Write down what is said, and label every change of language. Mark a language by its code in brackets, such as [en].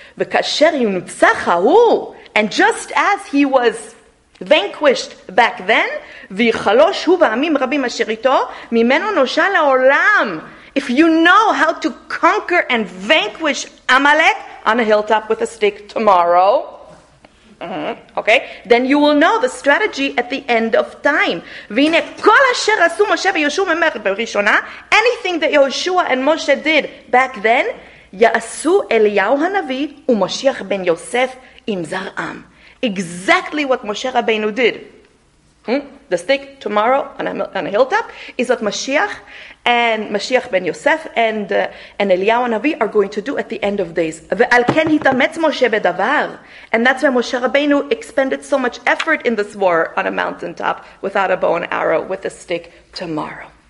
[he] V'kasher yunutzach ha'u. [en] And just as he was vanquished back then, [he] v'chalosh hu v'amim rabim asher ito, mimeno nosha la'olam. [en] If you know how to conquer and vanquish Amalek on a hilltop with a stick tomorrow, Okay? Then you will know the strategy at the end of time. [he] והנה, כל אשר עשו משה ויהושע ממך בראשונה, [en] anything that Yehoshua and Moshe did back then, [he] יעשו אליהו הנביא ומשיח בן יוסף עם זרעם. [en] Exactly what Moshe Rabbeinu did. The stick tomorrow on a hilltop is what Mashiach and Mashiach ben Yosef and Eliyahu Navi are going to do at the end of days. [he] Ve'al ken hitametz Moshe bedavar. [en] And that's why Moshe Rabbeinu expended so much effort in this war on a mountaintop without a bow and arrow with a stick tomorrow.